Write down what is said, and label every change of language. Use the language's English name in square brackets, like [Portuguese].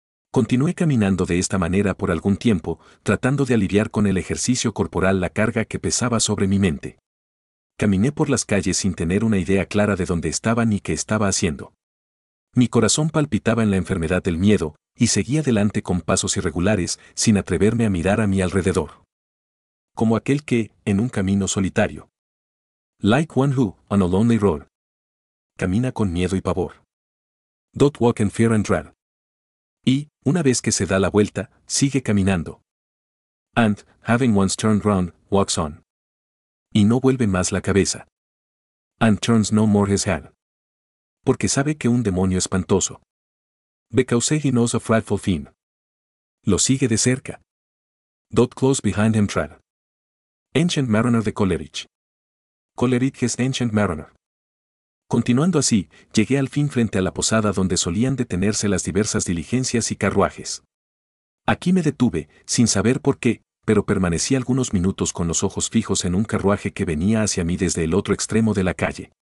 [Spanish] Continué caminando de esta manera por algún tiempo, tratando de aliviar con el ejercicio corporal la carga que pesaba sobre mi mente. Caminé por las calles sin tener una idea clara de dónde estaba ni qué estaba haciendo. Mi corazón palpitaba en la enfermedad del miedo, y seguí adelante con pasos irregulares, sin atreverme a mirar a mi alrededor. Como aquel que, en un camino solitario. [English] Like one who, on a lonely road. [Spanish] Camina con miedo y pavor. [English] Don't walk in fear and dread. [Spanish] Y, una vez que se da la vuelta, sigue caminando. [English] And, having once turned round, walks on. [Spanish] Y no vuelve más la cabeza. [English] And turns no more his head. [Spanish] Porque sabe que un demonio espantoso. [English] Because he knows a frightful fiend. [Spanish] Lo sigue de cerca. [English] Dot close behind him tread. Ancient mariner de Coleridge. Coleridge's ancient mariner. [Spanish] Continuando así, llegué al fin frente a la posada donde solían detenerse las diversas diligencias y carruajes. Aquí me detuve, sin saber por qué, pero permanecí algunos minutos con los ojos fijos en un carruaje que venía hacia mí desde el otro extremo de la calle.